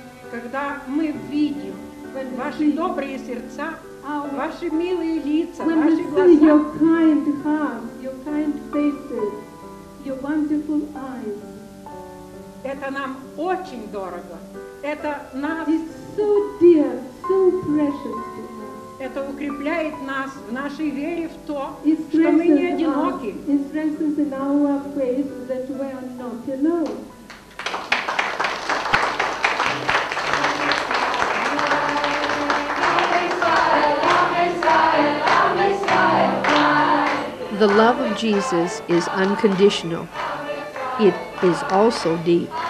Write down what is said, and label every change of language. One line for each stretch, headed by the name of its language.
Russian: Когда мы видим ваши добрые сердца, ваши милые лица, ваши глаза,
English: your kind hearts, your kind faces, your wonderful eyes,
Russian: это нам очень дорого. Это нам.
English: It's so dear, so precious.
Russian: Это укрепляет нас в нашей вере в то, что мы не одиноки.
English: It strengthens in our faith that we are not alone. The love of Jesus is unconditional. It is also deep.